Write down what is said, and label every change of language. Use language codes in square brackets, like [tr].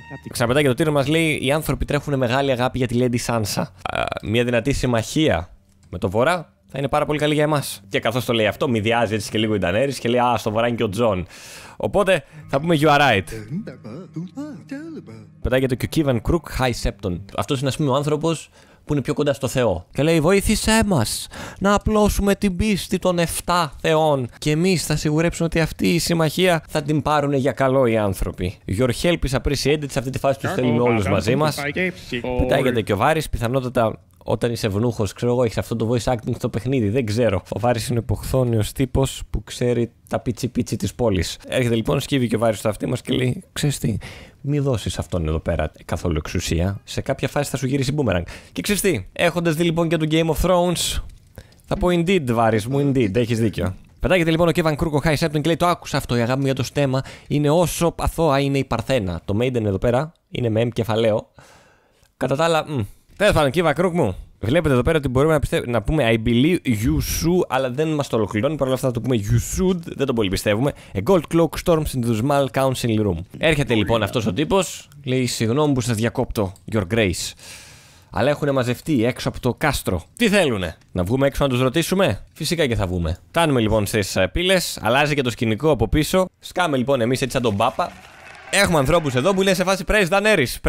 [el] Ξαναπετάει και το τύριο μας λέει: οι άνθρωποι τρέχουν μεγάλη αγάπη για τη Lady Sansa. Μια δυνατή συμμαχία με το βορρά θα είναι πάρα πολύ καλή για εμάς. Και καθώς το λέει αυτό, μηδιάζει έτσι και λίγο η Daenerys και λέει: α, στο βορρά είναι και ο Τζον. Οπότε θα πούμε: [en] you are right. [el] Πετάγεται και ο Kevan Crook High Septon. Αυτό είναι, ας πούμε, ο άνθρωπος που είναι πιο κοντά στο Θεό. Και λέει: βοήθησέ μας να απλώσουμε την πίστη των 7 θεών. Και εμείς θα σιγουρέψουμε ότι αυτή η συμμαχία θα την πάρουν για καλό οι άνθρωποι. [en] Your help is appreciated [el] σε αυτή τη φάση που θέλουμε όλους μαζί μας. Πετάγεται και ο Βάρης. Πιθανότατα όταν είσαι ευνούχος, ξέρω εγώ, έχεις αυτό το voice acting στο παιχνίδι. Δεν ξέρω. Ο Βάρης είναι ο υποχθόνιος τύπος που ξέρει τα πίτσι πίτσι της πόλης. Έρχεται λοιπόν, σκύβει και ο Βάρης στο αυτί μας και λέει: ξέρεις τι, μη δώσεις αυτόν εδώ πέρα καθόλου εξουσία. Σε κάποια φάση θα σου γυρίσει boomerang. Και ξέρεις τι, έχοντας δει λοιπόν και το Game of Thrones, θα πω [en] indeed, [el] Βάρης μου, indeed, έχεις δίκιο. Πετάγεται λοιπόν ο Kevan Crook ο High Septon και λέει: το άκουσα αυτό, η αγάπη μου για το στέμα είναι όσο αθώα είναι η Παρθένα. Το Maiden εδώ πέρα είναι με M κεφαλαίο. Κατά τα άλλα, τέλος πάντων, Kevan Crook μου. Βλέπετε εδώ πέρα ότι μπορούμε να, να πούμε [en] I believe you should, [el] αλλά δεν μας το ολοκληρώνει. Παρ' όλα αυτά θα το πούμε [en] you should, [el] δεν τον πολύ πιστεύουμε. [en] A gold cloak storms into the small council room. [el] Έρχεται λοιπόν αυτός ο τύπος, λέει: συγγνώμη που σας διακόπτω, [en] Your Grace. [el] Αλλά έχουν μαζευτεί έξω από το κάστρο. Τι θέλουνε, να βγούμε έξω να τους ρωτήσουμε? Φυσικά και θα βγούμε. Φτάνουμε λοιπόν στις πύλες, αλλάζει και το σκηνικό από πίσω. Σκάμε λοιπόν εμείς έτσι σαν τον Πάπα. Έχουμε ανθρώπους εδώ που λένε σε φάση [en] Praise Daenerys.